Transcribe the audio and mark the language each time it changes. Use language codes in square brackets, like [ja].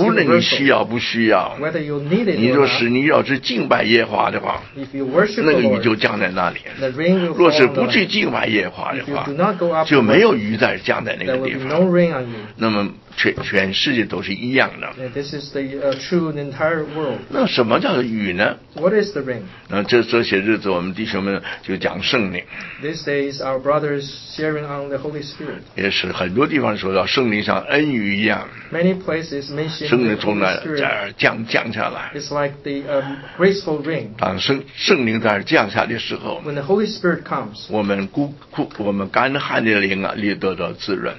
[zh] 无论你需要不需要， [en] Whether you need it or not, [zh] 你要是敬拜耶和华的话， [en] if you worship [zh] 那个雨就降在那里， [en] the rain will [zh] 若是不去敬拜耶和华的话， [en] if you do not go up, [zh] 就没有雨再降在那个地方， [en] there will be no rain on you. [zh] 那么全世界都是一样的。 [en] This is the true in the entire world. [zh] 那什么叫雨呢 [en] ？What is the rain？ [zh] 那这些日子，我们弟兄们就讲圣灵。 [en] These days, our brothers sharing on the Holy Spirit. [zh] 也是很多地方说到圣灵像恩雨一样。 [en] Many places mention [zh] 圣灵从那儿降下来。 [en] It's like the graceful rain. [zh] 当圣灵在那儿降下的时候 [en] ，When the Holy Spirit comes， [zh] 我们干旱的灵啊，得到滋润。